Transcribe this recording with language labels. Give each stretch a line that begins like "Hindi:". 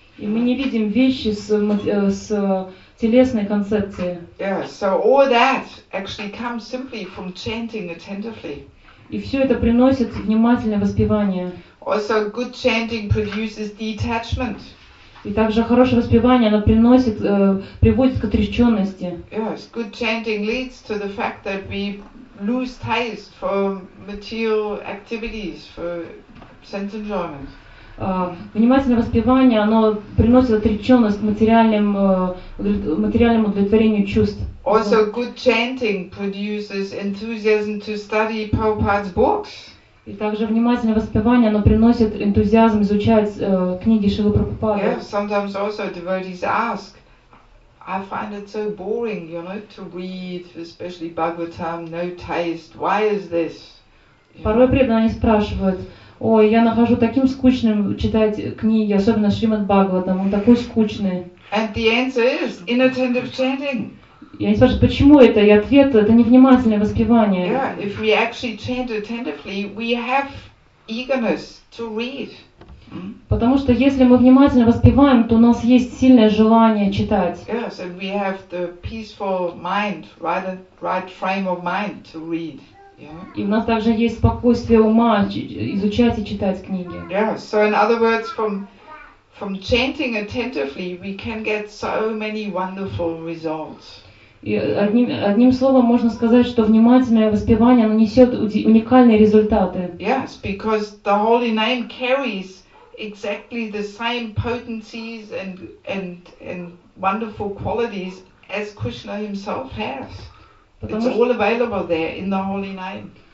Russian: И мы не видим вещи с телесной концепции.
English: Yeah, so all that actually comes simply from chanting attentively.
Russian: И все это приносит внимательное воспевание.
English: Also, good chanting produces detachment.
Russian: И также хорошее воспевание, оно приносит, приводит к отречённости.
English: Yes, good chanting leads to the fact that we lose taste for material activities, for sense enjoyment.
Russian: Внимательное воспевание, оно приносит отреченность материальному удовлетворению чувств.
English: Also, good chanting produces enthusiasm to study Prabhupada's books.
Russian: И также внимательное воспевание, оно приносит энтузиазм изучать книги Шрилы Прабхупады.
English: Yeah, sometimes also devotees ask, I find it so boring, you know, to read, especially Bhagavatam, no taste. Why is this?
Russian: Порой преданные спрашивают, ой, я нахожу таким скучным читать книги, особенно Шримад Бхагаватам, он такой скучный.
English: And the answer is inattentive chanting.
Russian: И они спрашивают, почему это? И ответ, это невнимательное воспевание.
English: Yeah, if we actually chant attentively, we have eagerness to read.
Russian: Потому что если мы внимательно воспеваем, то у нас есть сильное желание читать.
English: Yes, and we have the peaceful mind, right frame of mind to read. Yeah.
Russian: И у нас также есть спокойствие ума изучать и читать книги.
English: Yeah, so in other words, from chanting attentively, we can get so many wonderful results.
Russian: И одним словом можно сказать, что внимательное воспевание несет уникальные результаты.
English: Yes, because the holy name carries exactly the same potencies and wonderful qualities as Krishna himself has. It's all available there in the holy name.